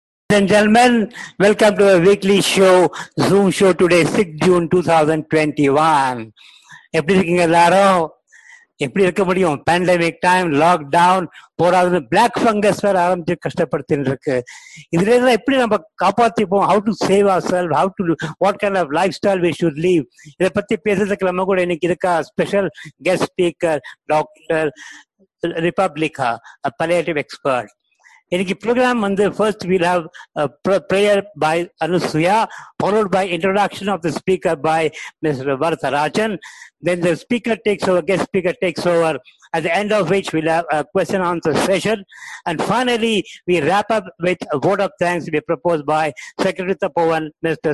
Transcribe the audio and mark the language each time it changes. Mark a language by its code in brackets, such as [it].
[en] And gentlemen, welcome to our weekly show, Zoom show today, 6 June 2021. [ta] எப்படி இருக்கீங்க எல்லாரும்? எப்படி இருக்க முடியும்? பேண்டமிக் டைம், லாக்டவுன், போராது, பிளாக் ஃபங்கஸ் வேற ஆரம்பிச்சு கஷ்டப்படுத்தின்னு இருக்கு. இதுல இருந்தா எப்படி நம்ம காப்பாத்திப்போம்? [en] How to save our self, how to what kind of lifestyle we should live. [ta] இதை பத்தி பேசுறதுக்கு நம்ம கூட இன்னைக்கு இருக்கா ஸ்பெஷல் கெஸ்ட் ஸ்பீக்கர் டாக்டர் ரிபப்ளிகா, [en] A palliative expert. [ta] இன்னைக்கு ப்ரோக்ராம் வந்து [en] First will have prayer by Anusuya, followed by introduction of the speaker by mister Varadarajan. Then the speaker takes over, guest speaker takes over, at the end of which we'll have a question answer session, and finally we wrap up with a vote of thanks to be proposed by Secretary Tapovan, Mr.